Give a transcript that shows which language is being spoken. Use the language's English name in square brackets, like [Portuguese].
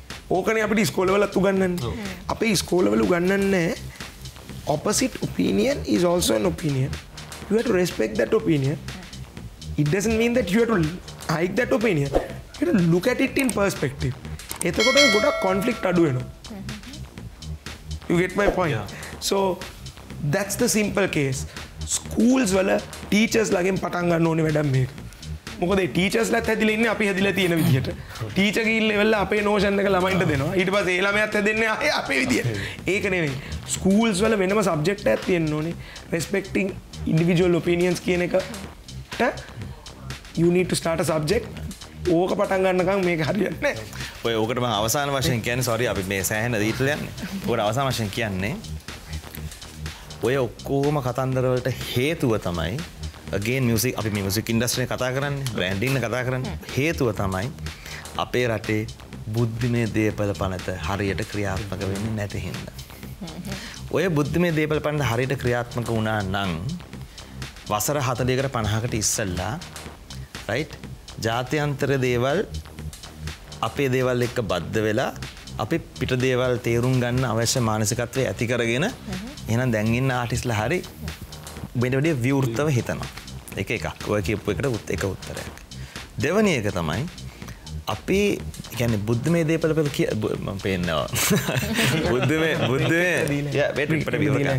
[Sinhala] ඕකනේ අපිට ඉස්කෝලවලත් උගන්වන්නේ. අපේ ඉස්කෝලවල උගන්වන්නේ [English] Opposite opinion is also an opinion. You have to respect that opinion. It doesn't mean that you have to like that opinion. You have to look at it in perspective. [Sinhala] එතකොට ගොඩක් conflict අඩු වෙනවා. [English] You get my point? So that's the simple case. [Sinhala] Schools වල teachers ලගෙන් පටන් ගන්න ඕනේ වැඩක් මේක. මොකද ඒ ටීචර්ස් ලත් හැදිලා ඉන්නේ අපි හැදිලා තියෙන විදිහට. ටීචර් කී ලෙවල් අපේ නෝෂන් එක ළමයින්ට දෙනවා. ඊට පස්සේ ඒ ළමයාත් හැදෙන්නේ ආයේ අපේ විදිහට. ඒක නෙමෙයි. ස්කූල්ස් වල වෙනම සබ්ජෙක්ට් එකක් තියෙන්න ඕනේ. [English] respecting individual opinions [Sinhala] කියන එකට [English] you need to start a subject. [Sinhala] ඕක පටන් ගන්නකම් මේක හරියන්නේ නැහැ. ඔය ඕකට මම අවසාන වශයෙන් කියන්නේ sorry අපි මේ සෑහෙන දීලා යන්නේ. ඕකට අවසාන වශයෙන් කියන්නේ ඔය ඔක්කෝම කතන්දරවලට හේතුව තමයි again music අපි මේ music industry කතා කරන්නේ branding න කතා කරන්නේ හේතුව තමයි අපේ රටේ බුද්ධිමය දේපල පනත හරියට ක්‍රියාත්මක වෙන්නේ නැති හින්දා ඔය බුද්ධිමය දේපල පනත හරියට ක්‍රියාත්මක වුණා නම් වසර 40කට 50කට ඉස්සෙල්ලා right ජාත්‍යන්තර දේවල් අපේ දේවල් එක්ක බද්ධ වෙලා අපි පිට දේවල් තේරුම් ගන්න අවශ්‍ය මානසිකත්වයේ ඇති කරගෙන එහෙනම් දැන් ඉන්න ආටිස්ලා හරි වෙන වෙන විවෘතව හිතනවා. ඒක එකක්. ඔය කියපු එකට එක උත්තරයක්. දෙවැනි එක තමයි අපි කියන්නේ බුද්ධමය දේපල පෙළ කිය මම පේන්නවා. බුද්ධමය බුද්ධමය [English] yeah wait for a minute.